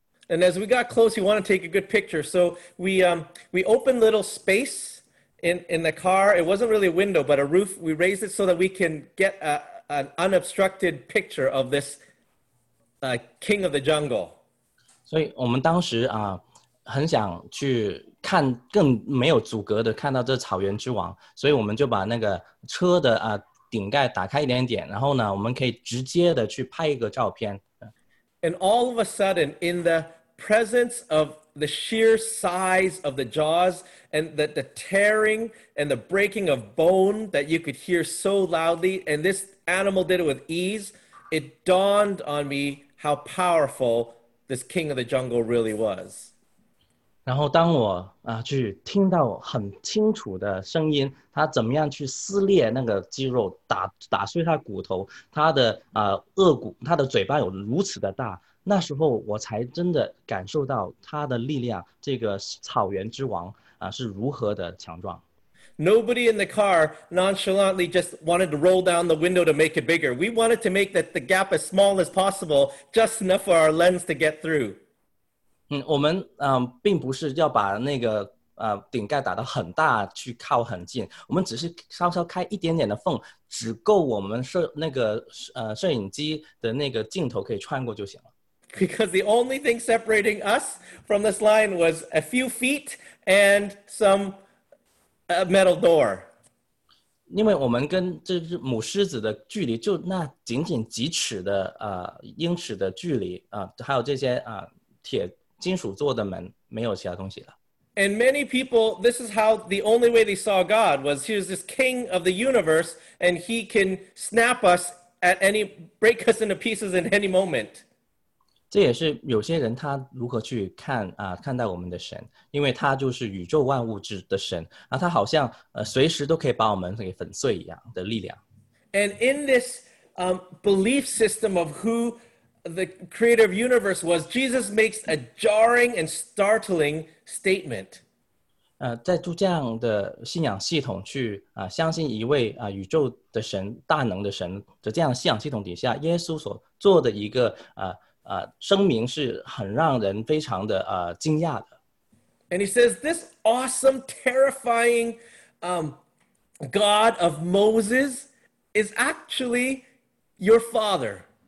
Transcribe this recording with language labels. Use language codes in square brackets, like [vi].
[en] And as we got close, we wanted to take a good picture, so we opened little space in the car. It wasn't really a window, but a roof. We raised it so that we can get an unobstructed picture of this king of the jungle. [zh] 所以我们当时啊，很想去看更没有阻隔的看到这草原之王，所以我们就把那个车的顶盖打开一点点，然后呢，我们可以直接的去拍一个照片。 [en] And all of a sudden, in the presence of the sheer size of the jaws and the tearing and the breaking of bone that you could hear so loudly, and this animal did it with ease, it dawned on me how powerful this king of the jungle really was. [zh] 然后当我去听到很清楚的声音，他怎么样去撕裂那个肌肉，打碎他骨头，他的颚骨，他的嘴巴有如此的大，那时候我才真的感受到他的力量，这个草原之王是如何的强壮。 [en] Nobody in the car nonchalantly just wanted to roll down the window to make it bigger. We wanted to make the gap as small as possible, just enough for our lens to get through. [zh] 我们并不是要把那个顶盖打得很大去靠很近，我们只是稍稍开一点点的缝，只够我们摄影机的那个镜头可以穿过就行了。 [en] Because the only thing separating us from this lion was a few feet and some metal door. [zh] 因为我们跟这只母狮子的距离就那仅仅几尺的英尺的距离还有这些铁金属做的门，没有其他东西了。 [en] And many people, this is how the only way they saw God was he was this king of the universe and he can snap us at any, break us into pieces in any moment. [zh] 这也是有些人他如何去看看待我们的神，因为他就是宇宙万物之的神啊，他好像随时都可以把我们给粉碎一样的力量。 [en] And in this belief system of who the creator of universe was, Jesus makes a jarring and startling statement. [zh] 在这样的信仰系统去相信一位宇宙的神、大能的神的这样信仰系统底下，耶稣所做的一个声明是很让人非常的惊讶的。 [en] And he says, this awesome, terrifying God of Moses is actually your father.